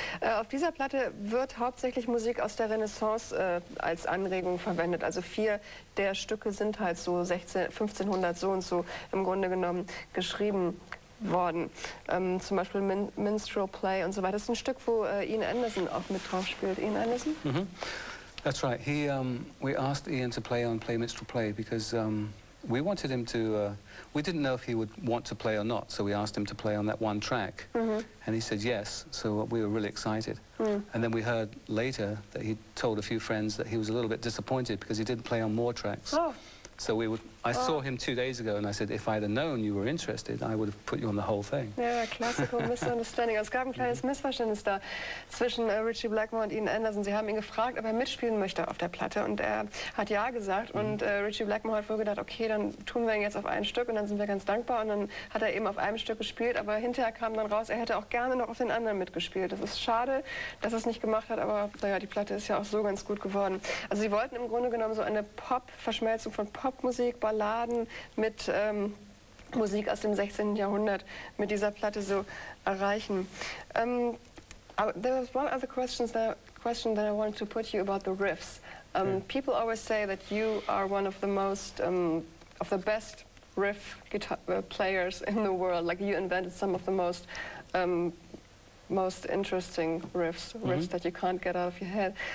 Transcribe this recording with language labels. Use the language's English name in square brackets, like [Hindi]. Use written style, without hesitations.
[German] Auf dieser Platte wird hauptsächlich Musik aus der Renaissance als Anregung verwendet. Also 4 der Stücke sind halt so 1500 so und so im Grunde genommen geschrieben worden. Zum Beispiel Minstrel Play und so weiter. Das ist ein Stück, wo Ian Anderson auch mit drauf spielt. Ian Anderson? [English] Mm-hmm. That's right. He, we asked Ian to play on Play Minstrel Play because we wanted him to, we didn't know if he would want to play or not, so we asked him to play on that one track. Mm-hmm. And he said yes, so we were really excited. Mm. And then we heard later that he told a few friends that he was a little bit disappointed because he didn't play on more tracks. So I saw him 2 days ago, and I said, if I'd have known you were interested, I would have put you on the whole thing. Ja, classical misunderstanding. [German] Es gab ein kleines Missverständnis da zwischen Ritchie Blackmore und Ian Anderson. Sie haben ihn gefragt, ob er mitspielen möchte auf der Platte, und er hat ja gesagt. Mm. Und Ritchie Blackmore hat wohl gedacht, okay, dann tun wir ihn jetzt auf ein Stück, und dann sind wir ganz dankbar. Und dann hat er eben auf einem Stück gespielt, aber hinterher kam dann raus, er hätte auch gerne noch auf den anderen mitgespielt. Das ist schade, dass er es nicht gemacht hat, aber naja, die Platte ist ja auch so ganz gut geworden. Also sie wollten im Grunde genommen so eine Pop-Verschmelzung von Popmusik, Balladen mit Musik aus dem 16. Jahrhundert mit dieser Platte so erreichen. [English] There was one other question that I wanted to put you about the riffs. People always say that you are one of the most, of the best riff guitar players in the world. Like, you invented some of the most most interesting riffs, riffs that you can't get out of your head.